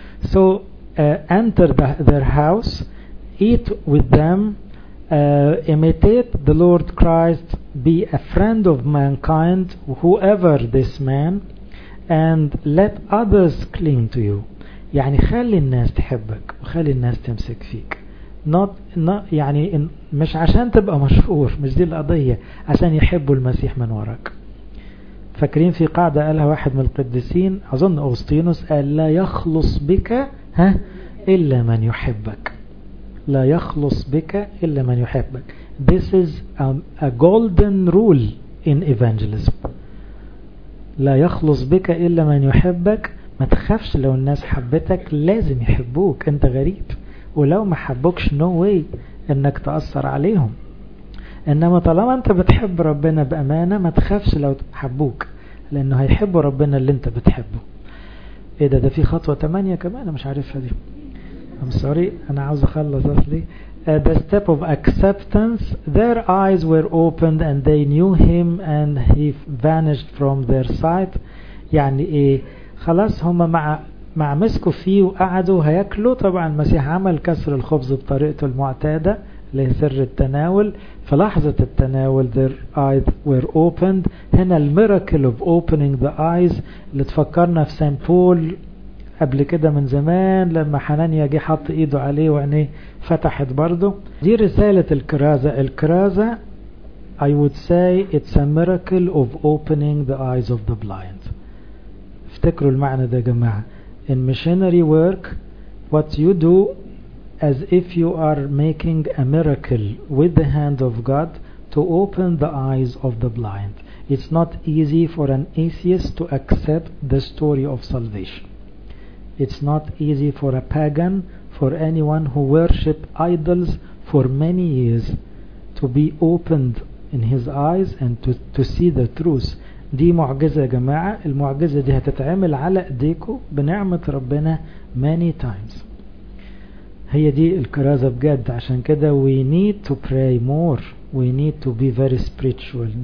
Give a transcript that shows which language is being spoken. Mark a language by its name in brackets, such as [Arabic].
[English] So enter their house, eat with them, imitate the Lord Christ, be a friend of mankind, whoever this man, and let others cling to you. [Arabic] يعني خلي الناس تحبك وخلي الناس تمسك فيك. Not يعني مش عشان تبقى مشهور، مش دي القضية، عشان يحبوا المسيح من وراك. فاكرين في قاعدة قالها واحد من القديسين، أظن أغسطينوس، قال لا يخلص بك إلا من يحبك. لا يخلص بك إلا من يحبك. [English] This is a golden rule in evangelism. [Arabic] لا يخلص بك إلا من يحبك. ما تخافش لو الناس حبتك، لازم يحبوك، أنت غريب. ولو ما حبوكش [English] no way [Arabic] أنك تأثر عليهم. إنما طالما أنت بتحب ربنا بأمانة، ما تخافش لو حبوك، لأنه هيحبوا ربنا اللي أنت بتحبه. إيه ده في خطوة 8 كمان مش عارفها دي. [English] I'm sorry، [Arabic] أنا عاوز أخلص أصلي. [English] The step of acceptance. Their eyes were opened and they knew him and he vanished from their sight. [Arabic] يعني إيه؟ خلاص هما مع مسكوا فيه وقعدوا هياكلوا. طبعا المسيح عمل كسر الخبز بطريقته المعتادة لسر التناول. في لحظة التناول [English] their eyes were opened. [Arabic] هنا الميراكل [English] of opening the eyes [Arabic] اللي تفكرنا في سان بول قبل كده من زمان، لما حنانيا جي حط ايده عليه وعينيه فتحت برضه. دي رسالة الكرازة. [English] الكرازة I would say it's a miracle of opening the eyes of the blind. [Arabic] افتكروا المعنى ده يا جماعة. [English] In missionary work what you do as if you are making a miracle with the hand of God to open the eyes of the blind. It's not easy for an atheist to accept the story of salvation. It's not easy for a pagan, for anyone who worshiped idols for many years, to be opened in his eyes and to see the truth. [Arabic] دي معجزة يا جماعة. المعجزة دي هتتعمل على ايديكو بنعمة ربنا [English] many times. [Arabic] هي دي الكرازة بجد. عشان كده [English] we need to pray more. We need to be very spiritual.